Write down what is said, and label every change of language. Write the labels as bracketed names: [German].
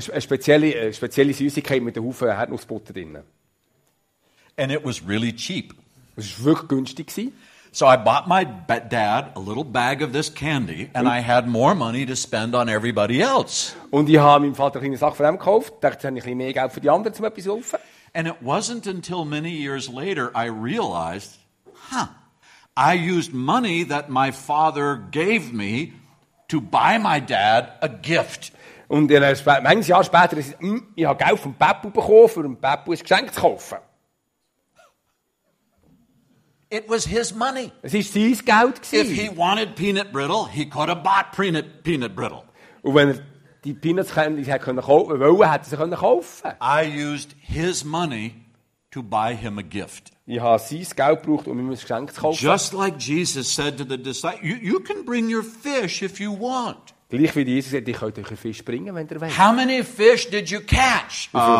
[German] Eine spezielle Süßigkeit mit einem Haufen Erdnussbutter drin. [English] And it was really cheap. [German] Es war wirklich günstig gewesen. [English] So I bought my dad a little bag of this candy and I had more money to spend on everybody else. [German] Und ich habe meinem Vater eine Sache von ihm gekauft, dachte, jetzt habe ich mehr Geld für die anderen, um etwas zu kaufen. [English] And it wasn't until many years later I realized, I used money that my father gave me to buy my dad a gift. [German] Und ein paar Jahre später, ich habe Geld vom Papa bekommen, für den Papa ein Geschenk zu kaufen. [English] It was his money. [German] Es ist sein Geld gewesen. [English] If he wanted peanut brittle, he could have bought peanut brittle. [German] Und wenn er die Peanuts wollte, hätte er sie können kaufen. [English] I used his money to buy him a gift. [German] Ich habe sein Geld gebraucht, um ihm ein Geschenk zu kaufen. [English] Just like Jesus said to the disciples, you can bring your fish if you want. [German] Gleich wie Jesus sagt, ich könnte euch einen Fisch bringen, wenn ihr wollt. [English] How many fish did you catch?